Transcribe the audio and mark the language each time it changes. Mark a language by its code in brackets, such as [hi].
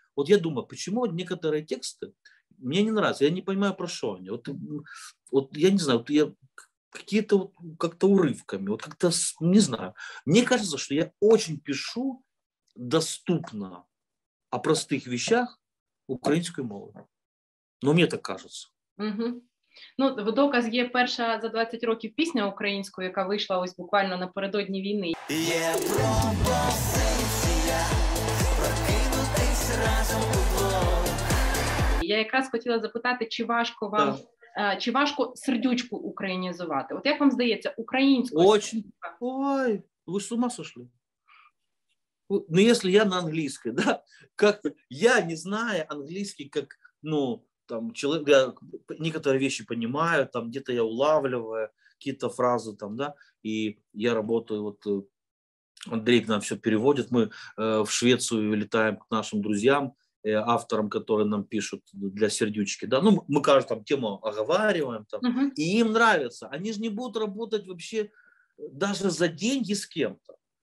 [ru] Вот я думаю, почему некоторые тексты мне не нравятся, я не понимаю, про что они. Вот, вот я не знаю, вот я какие-то вот как-то урывками, вот как-то, не знаю. Мне кажется, что я очень пишу доступно о простых вещах украинской мовы. Но мне так кажется. [uk] Ну, в доказ є перша за 20 років пісня українською, яка вийшла ось буквально напередодні війни. Є пропозиція прокинутись разом у блок. Я якраз хотіла запитати, чи важко вам, чи важко сердючку українізувати? От як вам здається, українською? [ru] Очень. Ой, ви з ума сошли? [uk] Ну, якщо я на англійській, да? [ru] Как, я не знаю англійський, як, ну, там человек, я некоторые вещи понимаю, там где-то я улавливаю какие-то фразы там, да, и я работаю, вот Андрей к нам все переводит, мы в Швецию летаем к нашим друзьям, авторам, которые нам пишут для сердючки, да, ну мы, кажется, там тему оговариваем, там, и им нравится, они же не будут работать вообще даже за деньги с кем-то,